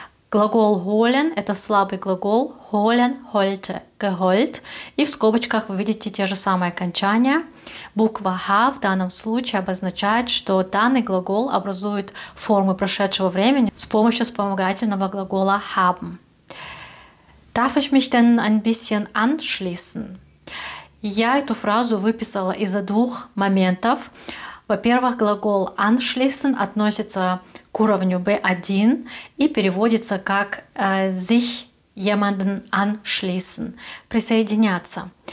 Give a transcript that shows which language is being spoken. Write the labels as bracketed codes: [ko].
[ru] Глагол «holen» – это слабый глагол «holen», «holte», «geholt». И в скобочках вы видите те же самые окончания. Буква «h» в данном случае обозначает, что данный глагол образует формы прошедшего времени с помощью вспомогательного глагола «haben». [de] «Darf ich mich denn ein bisschen anschließen?» [ru] Я эту фразу выписала из-за двух моментов. Во-первых, глагол «anschließen» относится к уровню B1 и переводится как [de] «sich jemanden anschließen» [ru] – «присоединяться».